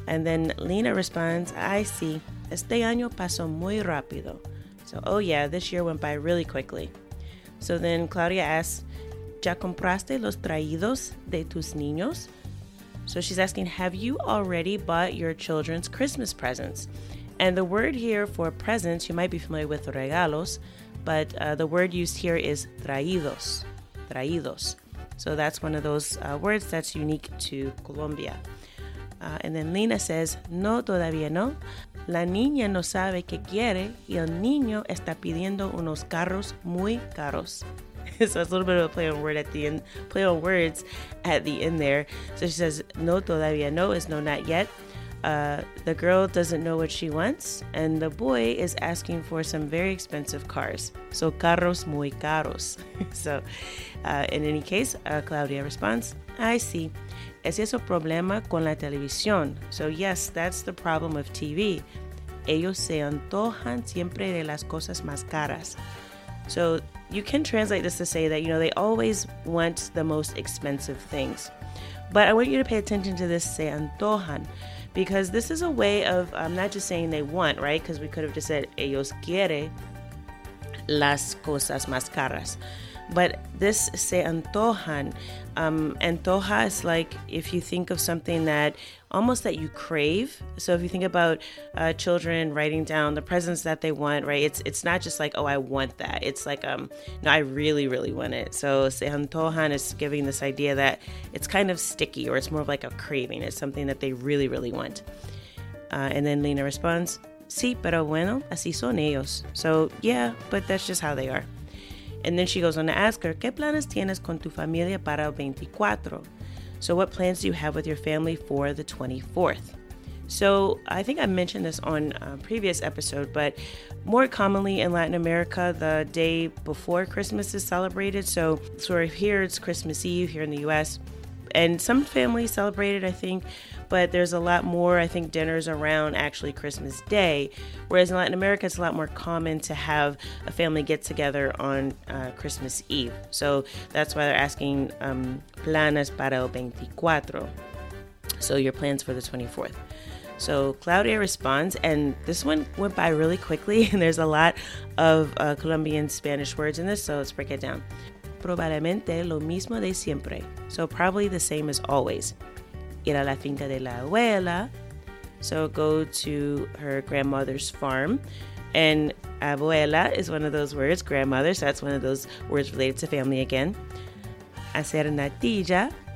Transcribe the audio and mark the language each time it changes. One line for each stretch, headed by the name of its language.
English: And then Lina responds, I see,
Spanish: este año pasó muy rápido.
English: So, oh yeah, this year went by really quickly. So then Claudia asks,
Spanish: ¿ya compraste los traídos de tus niños?
English: So she's asking, have you already bought your children's Christmas presents? And the word here for presents, you might be familiar with regalos, but the word used here is traídos, traídos. So that's one of those words that's unique to Colombia. And then Lina says,
Spanish: no, todavía no. La niña no sabe qué quiere y el niño está pidiendo unos carros muy caros.
English: So it's a little bit of a play on words at the end there. So she says,
Spanish: no, todavía no
English: is no, not yet. The girl doesn't know what she wants, and the boy is asking for some very expensive cars. So
Spanish: carros muy caros.
English: So in any case, Claudia responds, I see.
Spanish: ¿Es eso problema con la televisión?
English: So yes, that's the problem of TV.
Spanish: Ellos se antojan siempre de las cosas más caras.
English: So you can translate this to say that, you know, they always want the most expensive things. But I want you to pay attention to this se antojan, because this is a way of not just saying they want, right? Because we could have just said
Spanish: ellos quiere las cosas más caras.
English: But this se antojan, antoja is like if you think of something that almost that you crave. So if you think about children writing down the presents that they want, right? It's not just like, oh, I want that. It's like, no, I really, really want it. So se antojan is giving this idea that it's kind of sticky, or it's more of like a craving. It's something that they really, really want. And then Lina responds,
Spanish: sí, pero bueno, así son ellos.
English: So yeah, but that's just how they are. And then she goes on to ask her,
Spanish: ¿qué planes tienes con tu familia para el 24?
English: So what plans do you have with your family for the 24th? So I think I mentioned this on a previous episode, but more commonly in Latin America, the day before Christmas is celebrated. So sort of here, it's Christmas Eve here in the U.S. And some families celebrate it, I think, but there's a lot more, I think, dinners around actually Christmas Day. Whereas in Latin America, it's a lot more common to have a family get together on Christmas Eve. So that's why they're asking,
Spanish: planes para el 24.
English: So your plans for the 24th. So Claudia responds, and this one went by really quickly, and there's a lot of Colombian Spanish words in this, so let's break it down.
Spanish: Probablemente lo mismo de siempre.
English: So probably the same as always.
Spanish: Ir a la finca de la abuela.
English: So go to her grandmother's farm. And abuela is one of those words, grandmother. So that's one of those words related to family again.
Spanish: Hacer natilla.